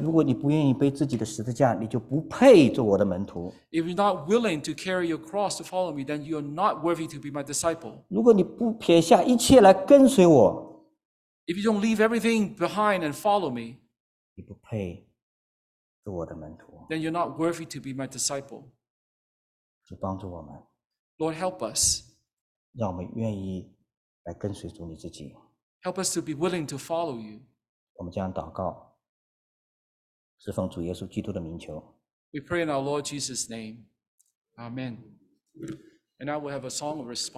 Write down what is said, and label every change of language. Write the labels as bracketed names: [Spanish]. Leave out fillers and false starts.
[Chinese] 如果你不愿意背自己的十字架，你就不配做我的门徒。 [English] If you're not willing to carry your cross to follow me, then you're not worthy to be my disciple. [Chinese] 如果你不撇下一切来跟随我。 [English] If you don't leave everything behind and follow me, [Chinese] 你不配。我的门徒。 [English] Then you're not worthy to be my disciple. [Chinese] 主帮助我们。 [English] Lord, help us. [Chinese] 让我们愿意来跟随主你自己。 [English] Help us to be willing to follow you. [Chinese] 我们这样祷告，是奉主耶稣基督的名求。 [English] We pray in our Lord Jesus' name. Amen. And now we have a song of response.